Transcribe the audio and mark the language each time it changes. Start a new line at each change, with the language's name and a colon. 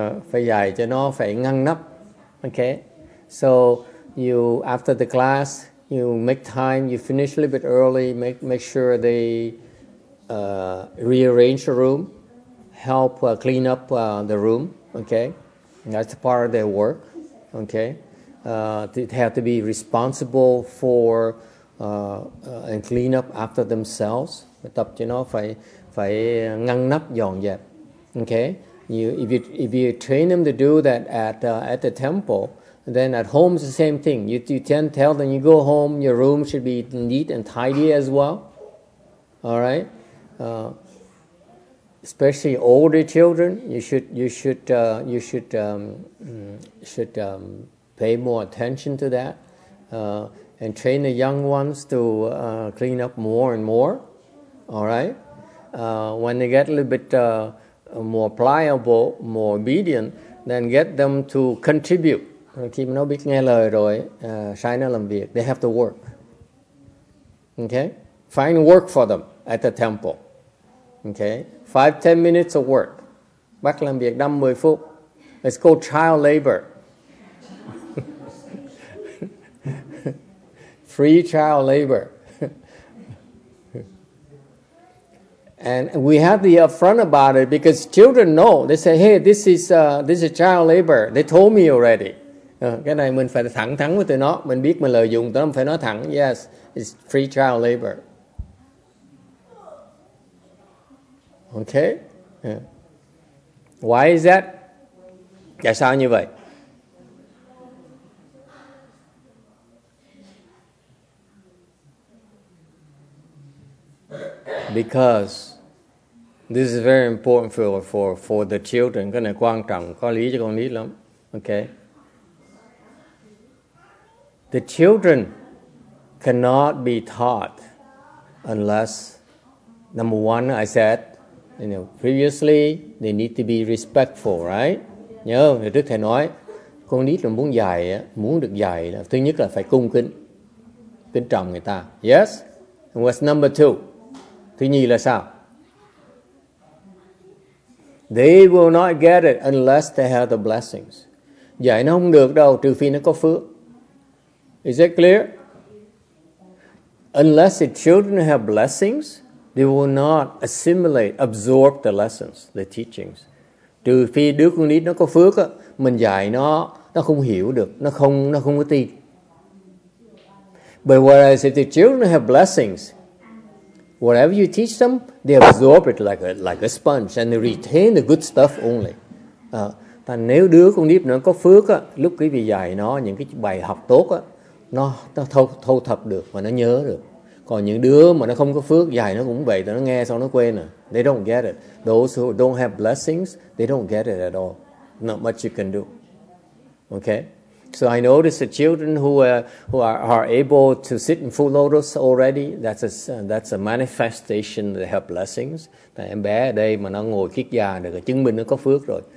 Vietnamese: Phải dạy cho nó phải ngăn nắp.
English: Okay. So you, after the class, you make time, you finish a little bit early, make sure they rearrange the room, help clean up the room. Okay. That's part of their work. Okay. They have to be responsible for and clean up after themselves.
Vietnamese: Tập cho nó phải ngăn nắp, dọn dẹp.
English: Okay. If you train them to do that at the temple, then at home is the same thing. You can tell them, you go home, your room should be neat and tidy as well. All right, especially older children, you should pay more attention to that, and train the young ones to clean up more and more. All right, when they get a little bit more pliable, more obedient, then get them to contribute.
Vietnamese: Khi nó biết nghe lời rồi, sai nó làm việc,
English: they have to work. Okay? Find work for them at the temple. Okay? 5-10 minutes of work.
Vietnamese: Bác làm việc 5-10 phút.
English: It's called child labor. Free child labor. And we have to be upfront about it because children know. They say, hey, this is child labor. They told me already.
Vietnamese: Cái này mình phải thẳng thắn với tụi nó. Mình biết mình lợi dụng, tụi nó phải nói thẳng.
English: Yes, it's free child labor. Okay. Yeah. Why is that?
Vietnamese: Tại sao như vậy?
English: Because this is very important for the children.
Vietnamese: Cái này quan trọng, có lý cho con nít lắm.
English: Okay. The children cannot be taught unless, number one, I said, you know, previously they need to be respectful, right?
Vietnamese: Nhớ, thì Đức Thầy nói, con nít là muốn dạy, muốn được dạy là thứ nhất là phải cung kính. kính trọng người ta. Yes?
English: And what's number two?
Vietnamese: Thứ nhì là sao?
English: They will not get it unless they have the blessings.
Vietnamese: Dạy nó không được đâu, trừ phi nó có phước.
English: Is that clear? Unless the children have blessings, they will not assimilate, absorb the lessons, the teachings.
Vietnamese: Trừ phi đứa con nít nó có phước á, mình dạy nó không hiểu được, nó không có tin.
English: But whereas if the children have blessings, whatever you teach them, they absorb it like a sponge and they retain the good stuff only.
Vietnamese: Tại nếu đứa con nít nó có phước á, lúc quý vị dạy nó những cái bài học tốt á, nó thâu thập được và nó nhớ được. Còn những đứa mà nó không có phước, dạy nó cũng vậy, nó nghe xong nó quên rồi.
English: They don't get it. Those who don't have blessings, they don't get it at all. Not much you can do. Okay? So I notice the children who are able to sit in full lotus already, that's a manifestation that they have blessings.
Vietnamese: Tại em bé ở đây mà nó ngồi kiết già được, chứng minh nó có phước rồi.